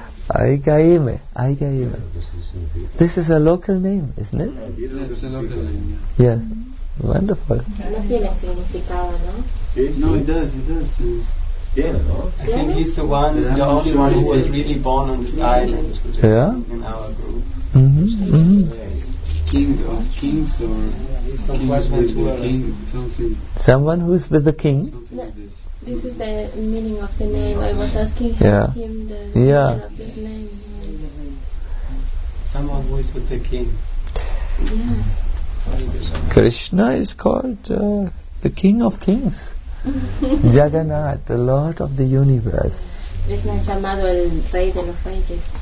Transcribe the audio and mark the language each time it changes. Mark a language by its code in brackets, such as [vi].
[en] Aigaime. This is a local name, isn't it? Yeah, it's a local name. Yes. Wonderful. [es] No tiene significado, ¿no? [en] No, it does. It does. Yeah, no? I think he's the one, the only one who was really born on this island. Yeah. In our group. Mm-hmm. Mm-hmm. King of kings, or he's with the king, something. Someone who's with the king. No, this is the meaning of the name. I was asking him the meaning of his name. Someone who is with the king. Yeah. Krishna is called the King of Kings. Jagannath, the Lord of the Universe. [es] Krishna es llamado el Rey de los Reyes.